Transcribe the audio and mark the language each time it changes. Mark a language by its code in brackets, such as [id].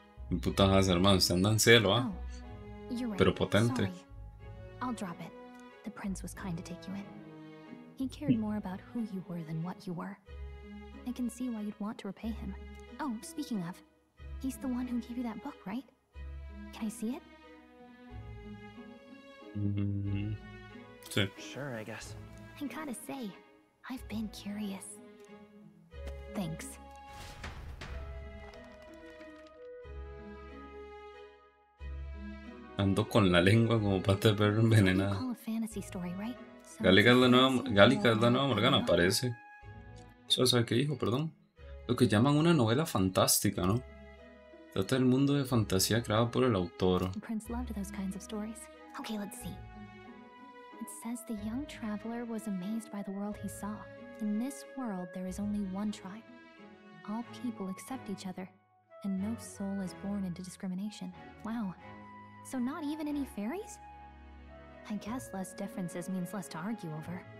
[es] Mi puta casa, hermano, se anda en celo, ¿eh? [en] You're right. [es] Pero potente. [en] Sorry. I'll drop it. The prince was kind to take you in. He cared more about who you were than what you were. I can see why you'd want to repay him. Oh, speaking of, he's the one who gave you that book, right? Can I see it? [es] Mm-hmm. Sí. [en] Sure, I guess. I gotta say, I've been curious. Thanks. [es] Ando con la lengua como pata de perro envenenada. [en] You call a fantasy story, right? [es] Gálica es la nueva, Gálica es la nueva Morgana, parece. ¿Sabes qué dijo? Perdón. Lo que llaman una novela fantástica, ¿no? Trata del mundo de fantasía creado por el autor. [en] The prince loved those kinds of stories. Okay, let's see. It says the young traveler was amazed by the world he saw. In this world, there is only one tribe. All people accept each other, and no soul is born into discrimination. Wow. So not even any fairies? I guess less differences means less to argue over.